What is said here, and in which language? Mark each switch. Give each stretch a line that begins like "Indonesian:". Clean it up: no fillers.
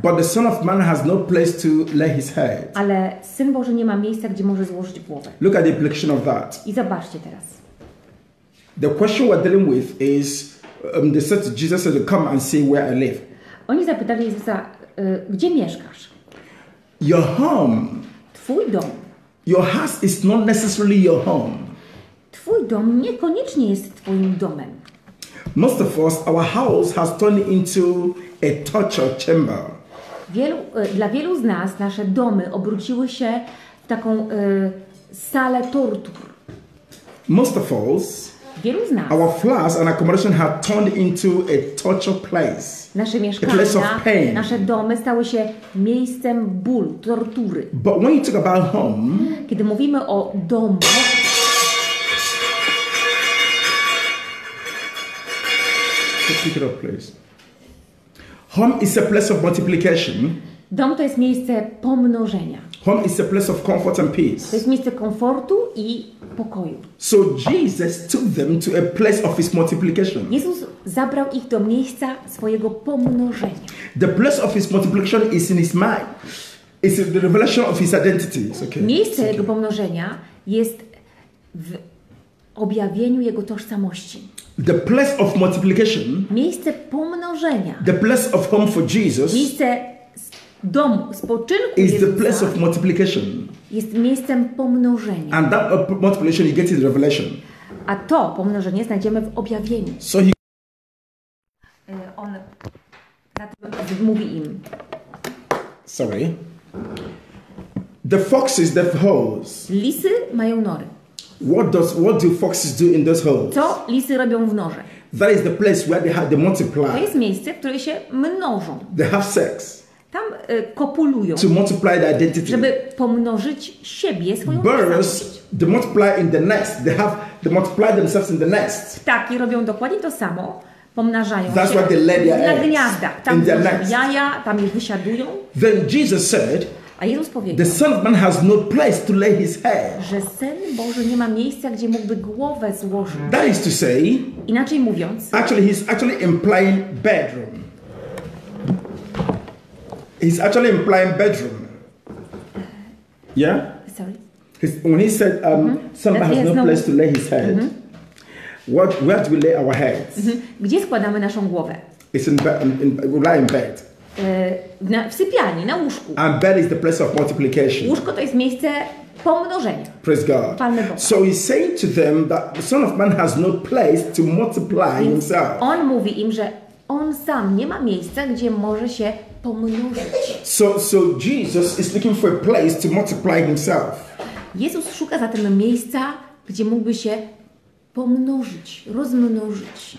English: But the Son of Man has no place to lay his head.
Polish: Ale Syn Boży nie ma miejsca, gdzie może złożyć głowę.
English: Look at the implication of that.
Polish: I zobaczcie teraz.
English: The question we're dealing with is they said to Jesus, said, come and see where I live.
Polish: Oni zapytali Jezusa, gdzie mieszkasz?
English: Your home.
Polish: Twój dom.
English: Your house is not necessarily your home.
Polish: Twój dom niekoniecznie jest twoim domem.
English: Most of us, our house has turned into a torture chamber.
Polish: Dla wielu z nas nasze domy obróciły się w taką salę tortur.
English: Most of us,
Polish: wielu z nas,
English: our flats and accommodation have turned into a torture place.
Polish: Nasze mieszkania,
English: a place of pain.
Polish: Nasze domy stały się miejscem bólu, tortury.
English: But when you talk about home,
Polish: kiedy mówimy o domu,
English: pick it up, please. Home is a place of multiplication.
Polish: Dom to jest miejsce pomnożenia.
English: Home is a place of comfort and peace.
Polish: To jest miejsce komfortu i pokoju.
English: So Jesus took them to a place of his multiplication.
Polish: Jezus zabrał ich do miejsca swojego pomnożenia.
English: The place of his multiplication is in his mind. It's the revelation of his identity. Okay.
Polish: Miejsce jego pomnożenia jest w objawieniu jego tożsamości.
English: The place of multiplication.
Polish: Miejsce pomnożenia.
English: The place of home for Jesus.
Polish: Miejsce domu, spoczynku.
English: Is the place of multiplication.
Polish: Jest miejscem pomnożenia.
English: And that multiplication you get in Revelation.
Polish: A to pomnożenie znajdziemy w objawieniu.
English: So he.
Polish: On zatem mówi im.
English: Sorry. The foxes, the holes.
Polish: Lisy mają nory.
English: What do foxes do in those holes?
Polish: Co lisy robią w norze?
English: That is the place where they multiply.
Polish: To jest miejsce, w którym się mnożą.
English: They have sex.
Polish: Tam kopulują.
English: To multiply their identity.
Polish: Żeby pomnożyć siebie, swoją tożsamość.
English: Birds, they multiply in the nest. They multiply themselves in the nest.
Polish: Ptaki robią dokładnie to samo, pomnażają
English: That's
Polish: się.
English: That's why they lay their eggs.
Polish: Na gniazdach. Tam
English: in their nest.
Polish: Jaja, tam je wysiadują.
English: Then Jesus said.
Polish: A Jezus powiedział,
English: the Son of Man has no place to lay his head.
Polish: Że Syn Boży nie ma miejsca, gdzie mógłby głowę złożyć.
English: That is to say,
Polish: inaczej mówiąc,
English: actually he's actually implying bedroom. He's actually implying bedroom. Yeah? Sorry. When he said somebody has no place to lay his head, mm-hmm. where do we lay our heads? Mm-hmm.
Polish: Gdzie składamy naszą głowę?
English: It's in bed. We lie in bed.
Polish: W sypialni, na łóżku.
English: And bed is the place of multiplication.
Polish: Łóżko to jest miejsce pomnożenia.
English: Praise God. So he's saying to them that the Son of Man has no place to multiply himself.
Polish: On mówi im, że on sam nie ma miejsca, gdzie może się pomnożyć.
English: So Jesus is looking for a place to multiply himself.
Polish: Jezus szuka zatem miejsca, gdzie mógłby się pomnożyć, rozmnożyć.